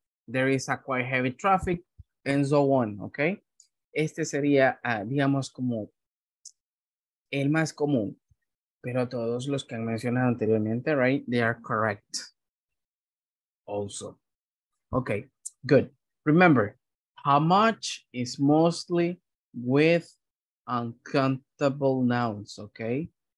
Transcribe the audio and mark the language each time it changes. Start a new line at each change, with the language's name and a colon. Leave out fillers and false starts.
English: There is a quite heavy traffic and so on, okay?
Spanish: Este sería, digamos, como el más común. Pero todos los que han mencionado anteriormente, right?
English: They are correct. Also. Okay, good. Remember, how much is mostly with uncountable nouns, okay?